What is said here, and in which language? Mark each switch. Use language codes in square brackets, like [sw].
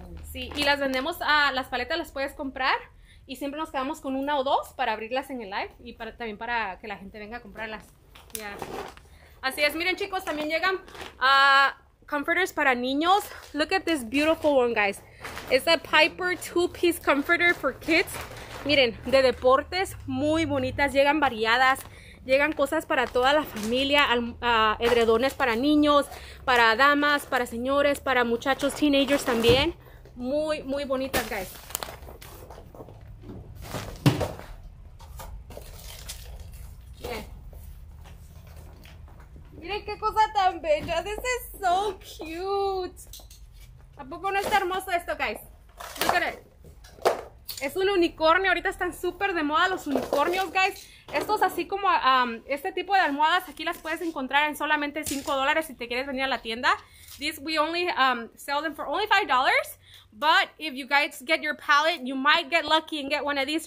[es] Sí, y las vendemos, las paletas las puedes comprar y siempre nos quedamos con una o dos para abrirlas en el live y para, también para que la gente venga a comprarlas. Así es, miren chicos, también llegan comforters para niños. [en] Look at this beautiful one, guys. It's a Piper two-piece comforter for kids. [es] Miren, de deportes, muy bonitas, llegan variadas. Llegan cosas para toda la familia, edredones para niños, para damas, para señores, para muchachos, teenagers también. Muy, muy bonitas, guys. Miren qué cosa tan bella. [en] This is so cute. [es] ¿A poco no está hermoso esto, guys? [en] Look at it. [es] Es un unicornio. Ahorita están súper de moda los unicornios, guys. Estos así como este tipo de almohadas aquí las puedes encontrar en solamente $5 si te quieres venir a la tienda. [en] These we only sell them for only $5, but if you guys get your palette, you might get lucky and get one of these.